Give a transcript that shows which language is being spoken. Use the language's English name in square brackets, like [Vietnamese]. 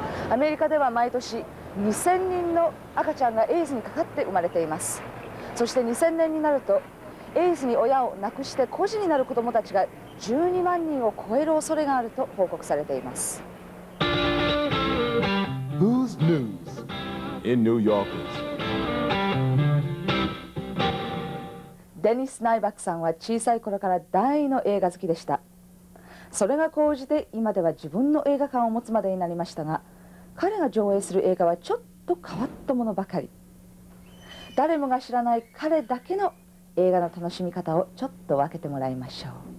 [Japanese] アメリカでは毎年2000人の赤ちゃんがエイズにかかって生まれています。そして2000年になるとエイズに親を亡くして孤児になる子どもたちが12万人を超える恐れがあると報告されています。 [English] Who's News in New Yorkers? [Japanese] デニス・ナイバックさんは小さい頃から大の映画好きでした。それが高じて今では自分の映画館を持つまでになりましたが、彼が上映する映画はちょっと変わったものばかり。誰もが知らない彼だけの映画の楽しみ方をちょっと分けてもらいましょう。